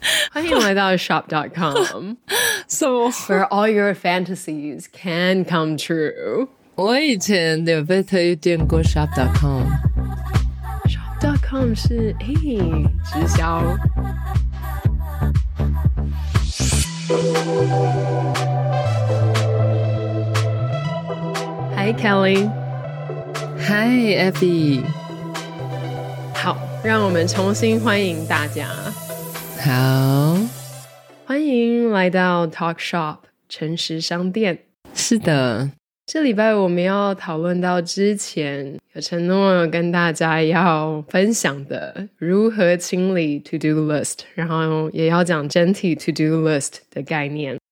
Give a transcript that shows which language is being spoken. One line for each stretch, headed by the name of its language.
Chinese: 欢迎来到 shop.com
English: so where all your fantasies can come true
Chinese: 我以前有被推荐过 shop.com shop.com 是诶直销
English: Hi Kelly Hi Abby
Chinese: 好让我们重新欢迎大家好欢迎来到 Talk Shop 诚实商店是的这礼拜我们要讨论到之前有承诺跟大家要分享的如何清理 to-do list 然后也要讲整体 to-do list 的概念